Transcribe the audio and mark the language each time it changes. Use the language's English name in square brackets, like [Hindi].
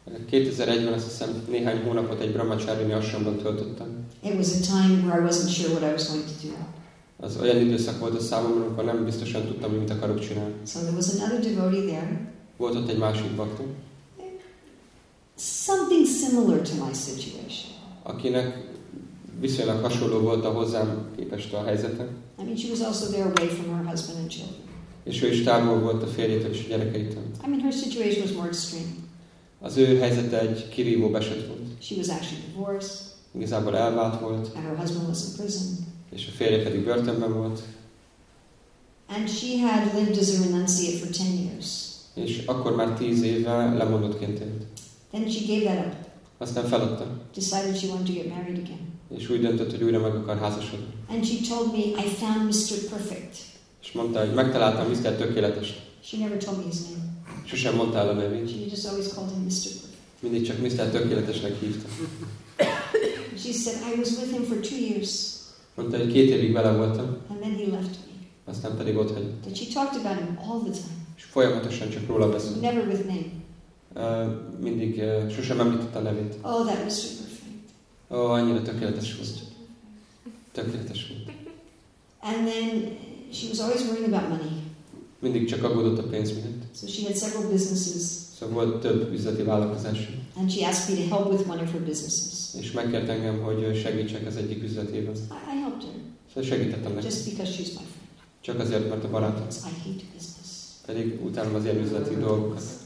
[Hungarian] 2001-ben azt hiszem néhány hónapot egy Brahmachari ashramban töltöttem. [English] It was a time where I wasn't sure what I was going to do. [Hungarian] Az olyan időszak volt a számomra, amikor nem biztosan tudtam, mit akarok csinálni. [English] So there was another devotee there. [Hungarian] Volt ott egy másik bhakta. [English] Something similar to my situation. [Hungarian] Akinek viszonylag hasonló volt a hozzám képest a helyzete. [English] I mean, she was also there away from her husband and children. [Hungarian] És ő is távol volt a férjétől és a gyerekeitől. [English] I mean, her situation was more extreme. [Hungarian] Az ő helyzete egy kirívó eset volt. [English] She was actually divorced. [Hungarian] Igazából elvált volt. [English] And her husband was in prison. [Hungarian] És a férje pedig börtönben volt. [English] And she had lived as a renunciate for 10 years. [Hungarian] És akkor már 10 éve lemondottként élt. [English] Then she gave that up. [Hungarian] Aztán feladta. [English] Decided she wanted to get married again. [Hungarian] És úgy döntött, hogy újra meg akar házasodni. [English] And she told me, I found Mr. Perfect. [Hungarian] És mondta, hogy megtaláltam Mr. Tökéletes. [English] She never told me his name. [Hungarian] Sosem mondta el a nevét. [English] She just always called him Mr. Perfect. [Hungarian] Mindig csak Mr. Tökéletesnek hívta. [English] She said, I was with him for 2 years. [Hungarian] Mondta, hogy 2 évig vele voltam. [English] And then he left me. [Hungarian] Aztán pedig ott hagyott. [English] But she talked about him all the time. [Hungarian] És folyamatosan csak róla beszélt. [English] Never with name. [Hungarian] Mindig sosem említett a nevét. [English] Oh, that was super fine. [Hungarian] Oh, annyira tökéletes volt. Tökéletes volt. [English] And then she was always worrying about money. [Hungarian] Mindig csak aggódott a pénz miatt. [English] So she had several businesses. [Hungarian] So volt több üzleti vállalkozás. [English] And she asked me to help with one of her businesses. [Hungarian] És megkért engem, hogy segítsek az egyik üzletében. [English] I helped her. [Hungarian] Szóval segítettem neki. [English] Just because she's my friend. [Hungarian] Csak azért, mert a barátom. [English] I hate business. [Hungarian] Pedig utálom az ilyen üzleti dolgokat.